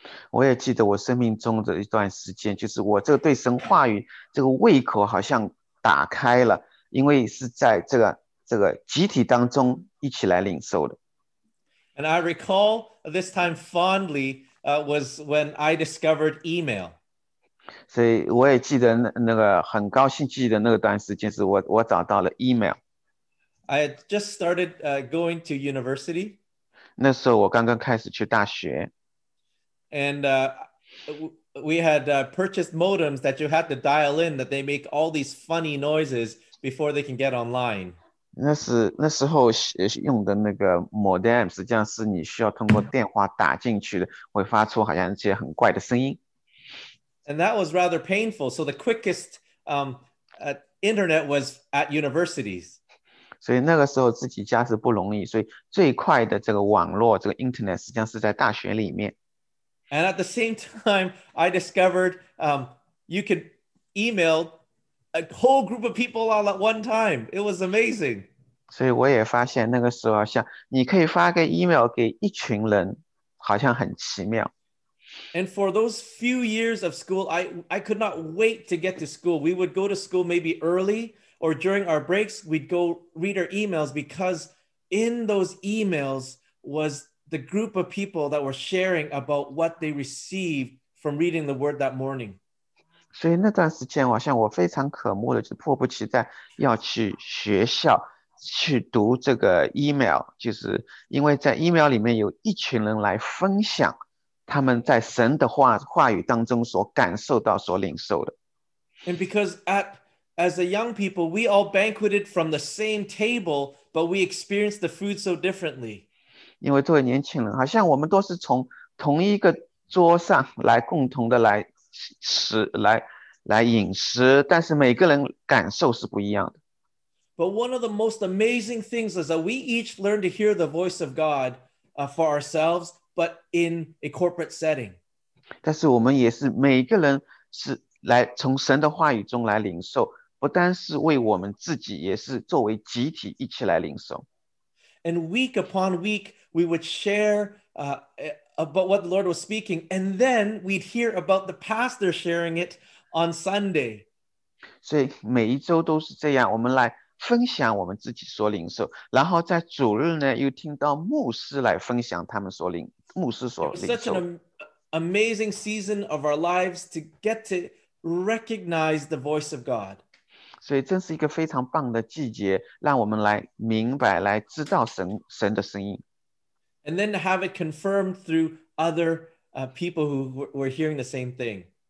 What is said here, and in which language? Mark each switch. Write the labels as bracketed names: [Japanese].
[Chinese] 我也记得我生命中的一段时间，就是我这个对神话语这个胃口好像打开了，因为是在这个集体当中一起来领受的。 [English] And I recall this time fondly, was when I discovered email. [Chinese] 所以我也记得那个很高兴记得那个段时间，是我找到了 email。 [English] I had just started going to university. [Chinese] 那时候我刚刚开始去大学。 [English] And we had purchased modems that you had to dial in, that they make all these funny noises before they can get online. [Chinese] 那时候用的那个 modem，实际上是你需要通过电话打进去的，会发出好像一些很怪的声音。 [English] And that was rather painful. So the quickest internet was at universities. [Chinese] 所以那个时候自己家是不容易，所以最快的这个网络，这个 internet 实际上是在大学里面。 [English] And at the same time, I discovered you could email a whole group of people all at one time. It was amazing. [Chinese] 所以我也发现那个时候，像你可以发个 email 给一群人，好像很奇妙。 [English] And for those few years of school, I could not wait to get to school. We would go to school maybe early or during our breaks, we'd go read our emails because in those emails was the group of people that were sharing about what they received from reading the word that morning. [Chinese] 所以那段时间，好像我非常渴慕的，就迫不及待要去学校去读这个 email，就是因为在 email 里面有一群人来分享他们在神的话语当中所感受到、所领受的。 [English] And because as a young people, we all banqueted from the same table, but we experienced the food so differently. [Chinese] 因为作为年轻人，好像我们都是从同一个桌上来共同的来吃来。来饮食，但是每个人感受是不一样的。 [English] But one of the most amazing things is that we each learn to hear the voice of God, for ourselves, but in a corporate setting. [Chinese] 但是我们也是每个人是来从神的话语中来领受，不单是为我们自己，也是作为集体一起来领受。 [English] And week upon week, we would share about what the Lord was speaking, and then we'd hear about the pastor sharing it on Sunday. [Chinese] 所以每一周都是这样，我们来分享我们自己所领受，然后在主日呢，又听到牧师来分享他们所领，牧师 [English] It [Chinese] 领 [English] such [Chinese] 受的。 [English] an amazing season of our lives to get to recognize the voice of God. [Chinese] 所以真是一个非常棒的季节，让我们来明白、来知道神的声音。 [English] And then to have it confirmed through other people who were hearing the same thing.